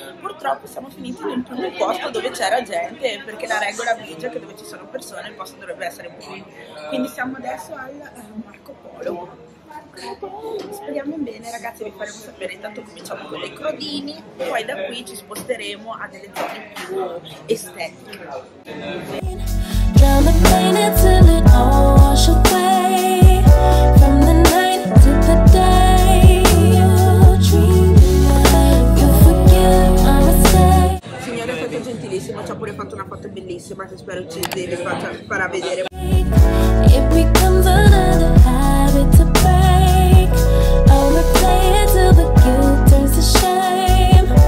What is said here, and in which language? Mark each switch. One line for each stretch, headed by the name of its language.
Italian: Purtroppo siamo finiti nel primo posto dove c'era gente, perché la regola vige che dove ci sono persone il posto dovrebbe essere buio. Quindi siamo adesso al Marco Polo. Speriamo bene ragazzi, vi faremo sapere. Intanto cominciamo con le crodini, poi da qui ci sposteremo a delle zone più estetiche.
English: Drown the pain until it all wash away. From the night to the day, you're dreaming. You forget I'm a slave.
Italian: Signore è stato gentilissimo, ci ha pure fatto una foto bellissima che spero ci vi farà vedere.
English: It becomes another habit to break. I'll replay it till the guilt turns to shame.